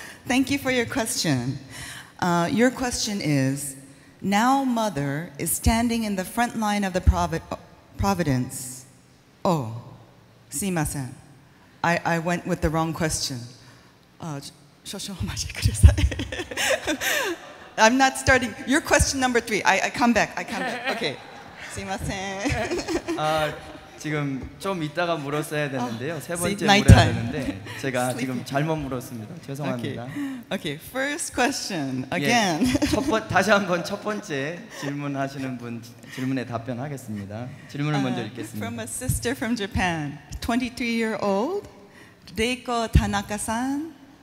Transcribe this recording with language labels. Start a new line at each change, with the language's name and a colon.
English: Thank you for your question. Your question is, now mother is standing in the front line of the providence.
Japanese: Oh, すいません.
English: I went with the wrong question.
Japanese: 少々 お待ち ください.
English: I'm not starting. Your question number three. I come back. Okay.
Japanese: すいません.
Korean: 아, 지금 좀 이따가 물었어야 되는데요. 세 번째 물어야 되는데 제가 지금 잘못 물었습니다. 죄송합니다.
English: Okay. First question again.
Korean: 다시 한번 첫 번째 질문하시는 분 질문에 답변하겠습니다. 질문을 먼저 읽겠습니다.
English: From a sister from Japan, 23 year old, Reiko Tanaka-san.